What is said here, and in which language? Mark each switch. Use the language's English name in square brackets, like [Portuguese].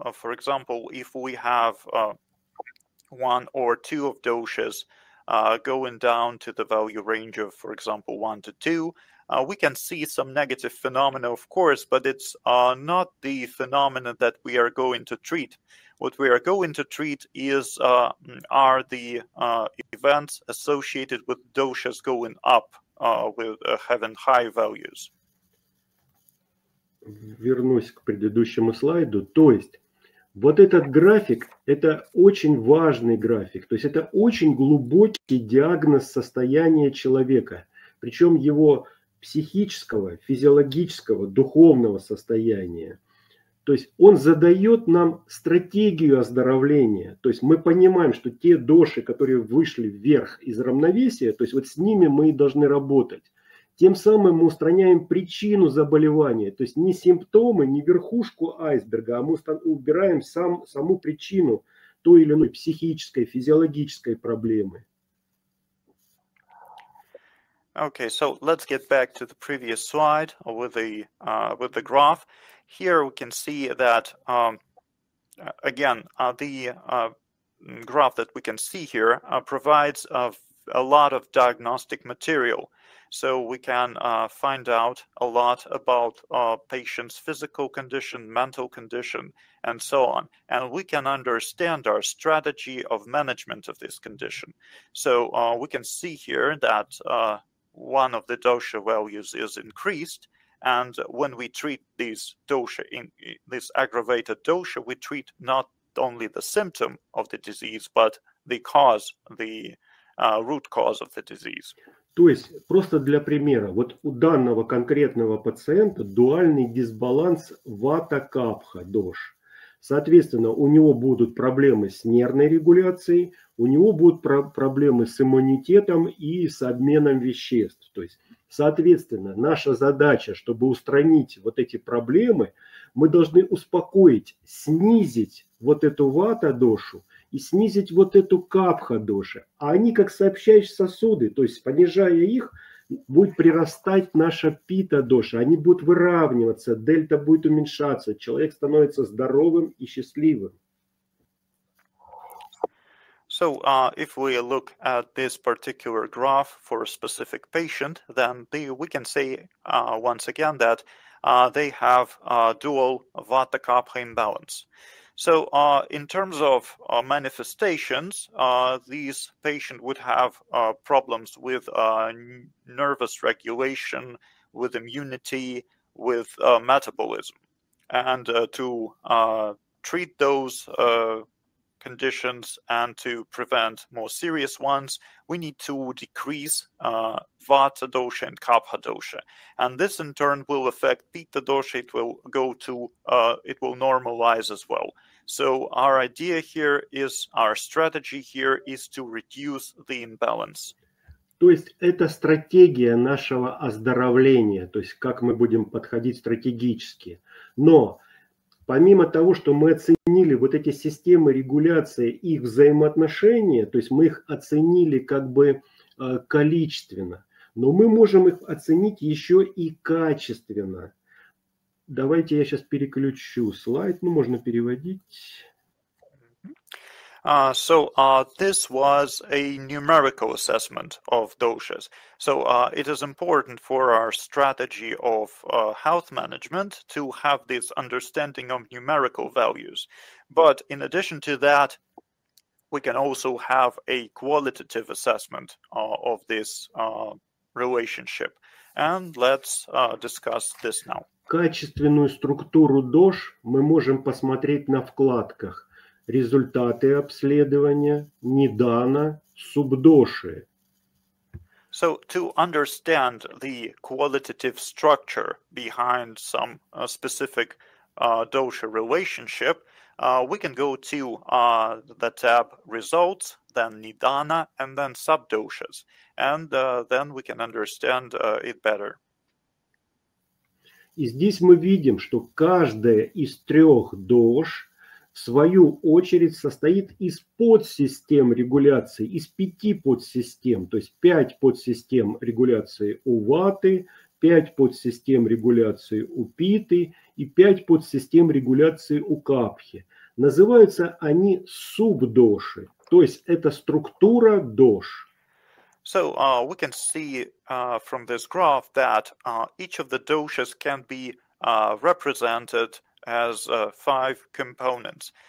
[English] For example, if we have one or two of doshas going down to the value range of, for example, 1 to 2, we can see some negative phenomena, of course, but it's not the phenomena that we are going to treat. What we are going to treat is are the events associated with doshas going up with having high values. [Russian] Вернусь к предыдущему слайду. То есть вот этот график, это очень важный график. То есть это очень глубокий диагноз состояния человека. Причем его психического, физиологического, духовного состояния. То есть он задает нам стратегию оздоровления. То есть мы понимаем, что те доши, которые вышли вверх из равновесия, то есть вот с ними мы и должны работать. Тем самым мы устраняем причину заболевания. То есть не симптомы, не верхушку айсберга, а мы убираем саму причину той или иной психической, физиологической проблемы. [English] Okay, so let's get back to the previous slide with the graph. Here we can see that, again, the graph that we can see here provides a a lot of diagnostic material, so we can find out a lot about a patient's physical condition, mental condition, and so on. And we can understand our strategy of management of this condition. So we can see here that one of the dosha values is increased. And when we treat these dosha, this aggravated dosha, we treat not only the symptom of the disease, but the cause, the root cause of the disease. [Russian] То есть, просто для примера, вот у данного конкретного пациента дуальный дисбаланс вата-капха, дош. Соответственно, у него будут проблемы с нервной регуляцией, у него будут проблемы с иммунитетом и с обменом веществ. То есть, соответственно, наша задача, чтобы устранить вот эти проблемы, мы должны успокоить, снизить вот эту вата-дошу и снизить вот эту капха-доши. А они как сообщающие сосуды, то есть понижая их, будет прирастать наша пита-доша. Они будут выравниваться, дельта будет уменьшаться, человек становится здоровым и счастливым. [English] So if we look at this particular graph for a specific patient, then we can say once again that they have a dual vata-kapha imbalance. So in terms of manifestations, these patients would have problems with nervous regulation, with immunity, with metabolism. And to treat those conditions and to prevent more serious ones, we need to decrease vata dosha and kapha dosha, and this in turn will affect pitta dosha. It will go to it will normalize as well. So our idea here is, our strategy here is to reduce the imbalance. [Russian] То есть это стратегия нашего оздоровления, то есть как мы будем подходить стратегически. Но помимо того, что мы оценили вот эти системы регуляции, их взаимоотношения, то есть мы их оценили как бы количественно, но мы можем их оценить еще и качественно. Давайте я сейчас переключу слайд, ну можно переводить. [English] So this was a numerical assessment of doshas. So it is important for our strategy of health management to have this understanding of numerical values. But in addition to that, we can also have a qualitative assessment of this relationship. And let's discuss this now. [Russian] Качественную структуру ДОШ мы можем посмотреть на вкладках «Результаты обследования», «Недана», «Субдоши». [English] So, to understand the qualitative structure behind some specific dosha relationship, we can go to the tab «Results», then «Недана», and then «Субдошас», and then we can understand it better. [Russian] И здесь мы видим, что каждая из трех дош, в свою очередь, состоит из подсистем регуляции, из пяти подсистем, то есть пять подсистем регуляции у ваты, пять подсистем регуляции у питы и пять подсистем регуляции у капхи. Называются они субдоши, то есть это структура дош. [English] So we can see from this graph that each of the doshas can be represented as five components.